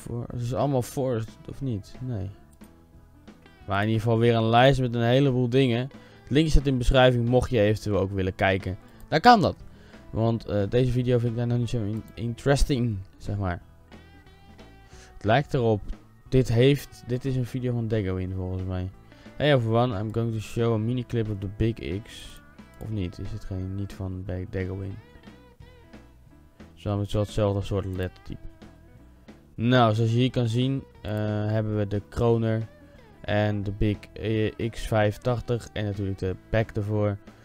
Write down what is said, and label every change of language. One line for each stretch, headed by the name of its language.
Dutch: het is allemaal forest, of niet? Nee. Maar in ieder geval weer een lijst met een heleboel dingen. Het linkje staat in de beschrijving, mocht je eventueel ook willen kijken. Daar kan dat. Want deze video vind ik daar nog niet zo interesting, zeg maar. Het lijkt erop. Dit is een video van Dagowind, volgens mij.
English: Hey everyone, I'm going to show a mini clip of the Big X.
Dutch: Of niet, is het geen niet van Dagowind. Het is wel hetzelfde soort lettertype. Nou, zoals je hier kan zien, hebben we de Kroner en de Big X580 en natuurlijk de pack ervoor.